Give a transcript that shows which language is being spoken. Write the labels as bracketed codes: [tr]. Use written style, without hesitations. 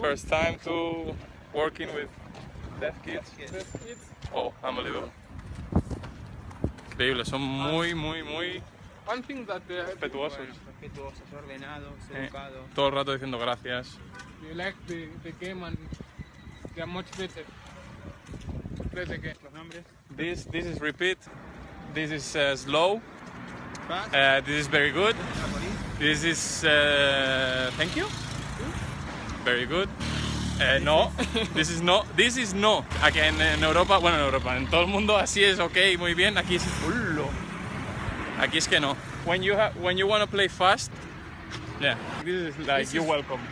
[en] First time to working with deaf kids. Deaf kids. Oh, unbelievable. [es] Increíble, son muy, muy, muy respetuosos. Respetuosos, ordenados, educados. Todo el rato diciendo gracias. [en] You like the game and they are much better. [es] ¿Los nombres? [en] This is repeat. This is slow. Fast. This is very good. This is thank you. Very good. No, this is no, this is no. [es] Aquí en Europa, bueno, en Europa, en todo el mundo así es okay, muy bien. Aquí es [en] hullo. [es] Aquí es que no. [en] When you want to play fast, yeah. This is like this you're welcome.